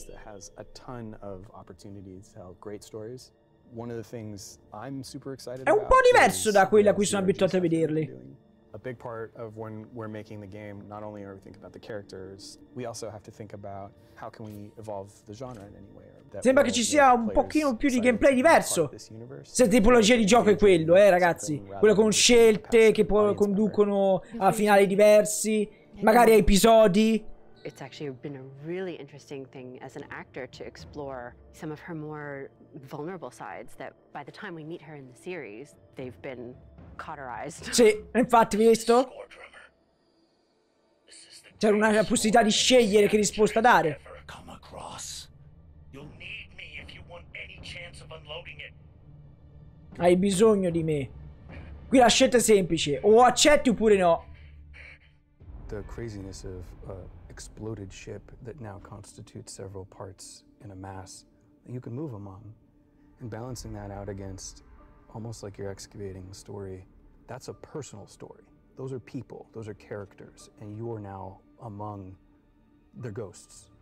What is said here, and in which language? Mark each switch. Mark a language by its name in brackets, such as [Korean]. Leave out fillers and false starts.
[English] That has a ton of opportunities to tell great stories. One of the things I'm super excited about. [Italian] È un po' diverso da quella a cui sono abituato a vederli. [English] A big part of when we're making the game, not only are we thinking about the characters, we also have to think about how can we evolve the genre in any way. [Italian] Sembra che ci sia un pochino più di gameplay diverso. Se tipologia di gioco è quello, ragazzi. Quello con scelte che poi conducono a finali diversi, magari a episodi. [English] it's actually been a really interesting thing as an actor to explore some of her more vulnerable sides that by the time we meet her in the series, they've been cauterized. [Italian] Sì, infatti, visto? C'era una possibilità di scegliere che risposta dare. Hai bisogno di me. Qui la scelta è semplice, o accetti oppure no. [English] The craziness of an exploded ship that now constitutes several parts in a mass that you can move among, and balancing that out against almost like you're excavating the story, that's a personal story. Those are people, those are characters, and you are now among their ghosts.